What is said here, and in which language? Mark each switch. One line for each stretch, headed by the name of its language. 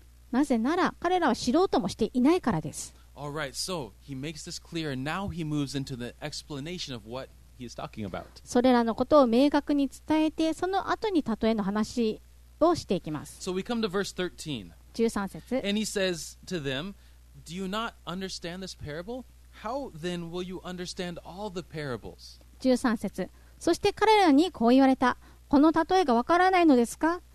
Japanese: なぜなら彼らは知ろうともしていないからです。
English: All right, so he makes this clear, and now he moves into the explanation of whatHe's talking about.
Japanese: それらのことを明確に伝えて、その後に例えの話をしていきます。
English: So we come to verse 13.
Japanese: 13節。
English: And he says to them, Do you not understand this parable? How then will you understand all the parables?
Japanese: 13節。そして彼らにこう言われた。この例えがわからないのですか？